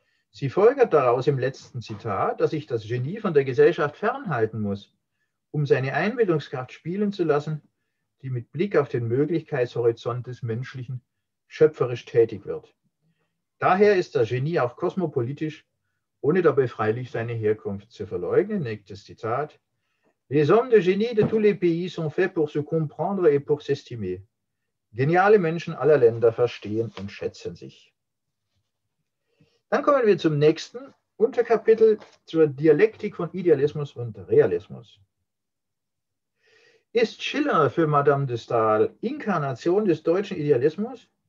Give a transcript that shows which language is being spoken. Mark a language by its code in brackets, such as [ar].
[de] Sie folgert daraus im letzten Zitat, dass ich das Genie von der Gesellschaft fernhalten muss, um seine Einbildungskraft spielen zu lassen, die mit Blick auf den Möglichkeitshorizont des Menschlichen schöpferisch tätig wird. Daher ist das Genie auch kosmopolitisch, ohne dabei freilich seine Herkunft zu verleugnen. Nächstes Zitat. [fr] Les hommes de génie de tous les pays sont faits pour se comprendre et pour s'estimer. [de] Geniale Menschen aller Länder verstehen und schätzen sich. Dann kommen wir zum nächsten Unterkapitel, zur Dialektik von Idealismus und Realismus. Ist Schiller für Madame de Stael Inkarnation des deutschen Idealismus?